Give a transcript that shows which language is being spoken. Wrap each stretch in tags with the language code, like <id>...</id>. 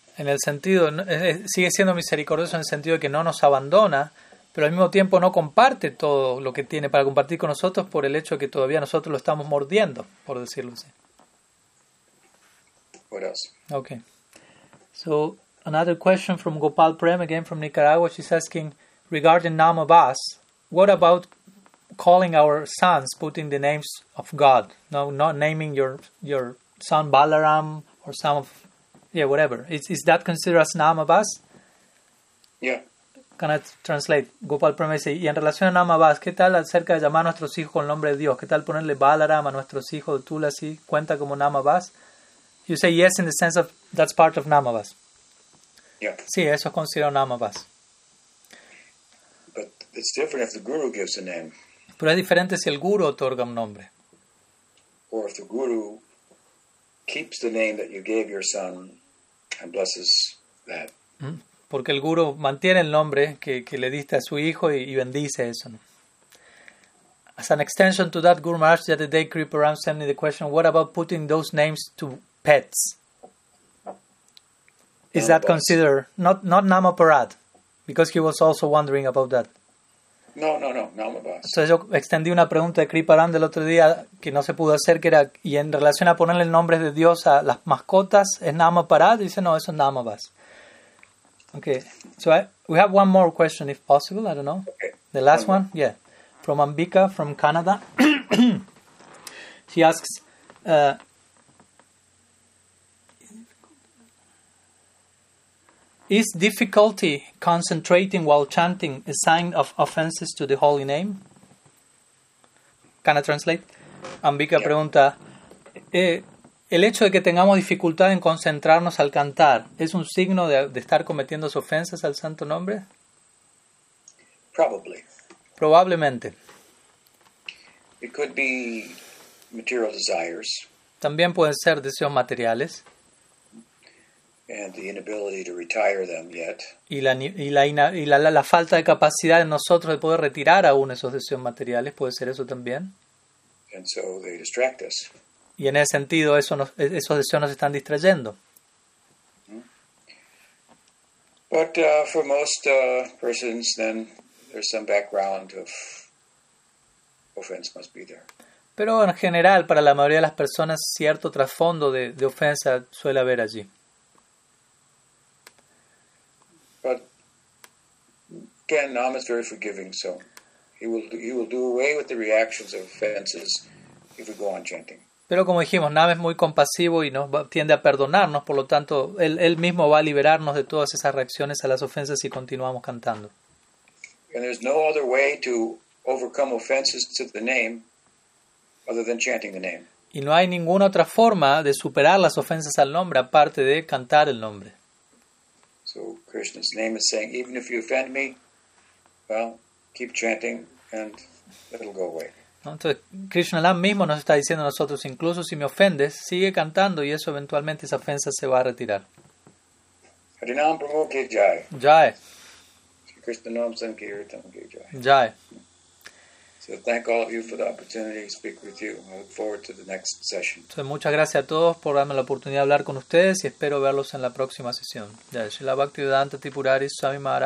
<es>En el sentido, sigue siendo misericordioso en el sentido de que no nos abandona, pero al mismo tiempo no comparte todo lo que tiene para compartir con nosotros por el hecho de que todavía nosotros lo estamos mordiendo, por decirlo así.</es> <en>What else? Okay. So, another question from Gopal Prem, again from Nicaragua. She's asking, regarding Namabhas, what about calling our sons, putting the names of God? No, not naming your son Balaram or some of, yeah, whatever. Is that considered as Namabhas? Yeah. Can I translate?</en> <es>Gopal Prem dice, y en relación a Namabhas, ¿qué tal acerca de llamar a nuestros hijos con el nombre de Dios? ¿Qué tal ponerle Balaram a nuestros hijos, Tulasi? ¿Cuenta como Namabhas?</es> <en>You say yes in the sense of that's part of Namabhas. Yeah.</en> <es>Sí, eso es considerado Namabhas.</es> <en>But it's different if the guru gives a name.</en> <es>Pero es diferente si el guru otorga un nombre.</es> <en>Or if the guru keeps the name that you gave your son and blesses that.</en> <es>Porque el guru mantiene el nombre que le diste a su hijo y bendice eso. ¿No?</es> <en>As an extension to that, Guru Maharaj, the other day, creep around sent me the question, what about putting those names to pets? Is that considered, not Namaparadha, because he was also wondering about that. No, Namabhasa.</en> <es>Entonces yo extendí una pregunta de Kriparam del otro día que no se pudo hacer, que era, y en relación a ponerle el nombre de Dios a las mascotas, ¿es Namaparadha? Dice, no, eso es Namabhasa.</es> <en>Okay, so we have one more question, if possible, I don't know. Okay. The last one, yeah, from Ambika from Canada. She asks, is difficulty concentrating while chanting a sign of offenses to the holy name? Can I translate?</en> <es>Ambika pregunta, ¿el hecho de que tengamos dificultad en concentrarnos al cantar es un signo de estar cometiendo ofensas al santo nombre?</es> <en>Probably.</en> <es>Probablemente.</es> <en>It could be material desires.</en> <es>También pueden ser deseos materiales.</es> <en>And the inability to retire them yet.</en> <es>Y la falta de capacidad de nosotros de poder retirar aún esos deseos materiales, puede ser eso también.</es> <en>And so they distract us.</en> <es>Y en ese sentido, esos deseos nos están distrayendo.</es> <en>But for most persons, then there's some background of offense must be there.</en> <es>Pero en general, para la mayoría de las personas, cierto trasfondo de ofensa suele haber allí.</es> <en>Again, Nam is very forgiving, so he will do away with the reactions of offenses if we go on chanting.</en> <es>Pero como dijimos, Nam es muy compasivo y nos tiende a perdonarnos, por lo tanto, él mismo va a liberarnos de todas esas reacciones a las ofensas si continuamos cantando.</es> <en>And there's no other way to overcome offenses to the name other than chanting the name.</en> <es>Y no hay ninguna otra forma de superar las ofensas al nombre aparte de cantar el nombre.</es> <en>So Krishna's name is saying, even if you offend me, well, keep chanting and it'll go away.</en> <es>Entonces, Krishna Lam mismo nos está diciendo a nosotros, incluso si me ofendes, sigue cantando y eso eventualmente esa ofensa se va a retirar.</es> <hi>Harinam Prabhu Ki Jai. Jai. Krishna Nam Sankirtan Ki Jai. Jai.</hi> <en>So thank all of you for the opportunity to speak with you. I look forward to the next session.</en> <es>Entonces, muchas gracias a todos por darme la oportunidad de hablar con ustedes y espero verlos en la próxima sesión. Ya, Shila Bhakti Vedanta Tipurari Swami Maharaj.</es>